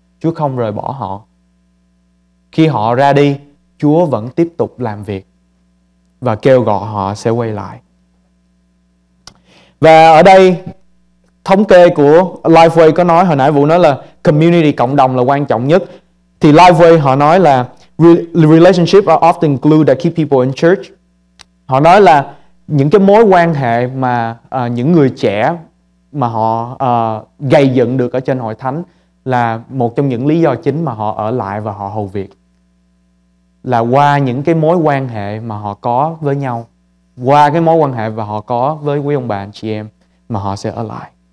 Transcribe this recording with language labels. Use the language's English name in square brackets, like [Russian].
[Vietnamese] Chúa không rời bỏ họ. Khi họ ra đi, Chúa vẫn tiếp tục làm việc và kêu gọi họ sẽ quay lại. Và ở đây, thống kê của LifeWay có nói, hồi nãy Vũ nói là community, cộng đồng là quan trọng nhất. Thì LifeWay họ nói là [English] relationship are often glue that keep people in church. [Vietnamese] Họ nói là những cái mối quan hệ mà những người trẻ mà họ gây dựng được ở trên hội thánh là một trong những lý do chính mà họ ở lại và họ hầu việc, là qua những cái mối quan hệ mà họ có với nhau, qua cái mối quan hệ mà họ có với quý ông bà anh chị em mà họ sẽ ở lại.